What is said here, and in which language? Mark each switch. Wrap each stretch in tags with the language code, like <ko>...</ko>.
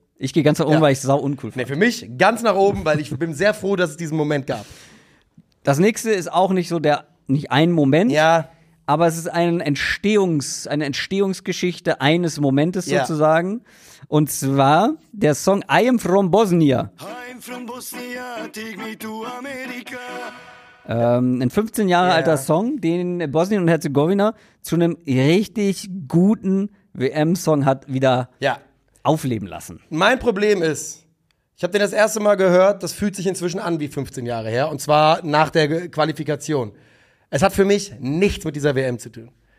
<de>Ich gehe ganz nach oben, weil ich es sau uncool fand. Nee, für mich ganz nach oben, weil ich bin sehr froh, dass es diesen Moment gab. Das nächste ist auch nicht so der, nicht ein Moment. Ja. Aber es ist eine Entstehungsgeschichte eines Momentes sozusagen. Und zwar der Song I Am From Bosnia.</de> <en>I'm from Bosnia, take me to America.</en> <de>Ein 15 Jahre alter Song, den Bosnien und Herzegowina zu einem richtig guten WM-Song hat wieder aufleben lassen. Mein Problem ist, ich habe den das erste Mal gehört, das fühlt sich inzwischen an wie 15 Jahre her. Und zwar nach der Qualifikation. Es hat für mich nichts mit dieser WM zu tun.</de>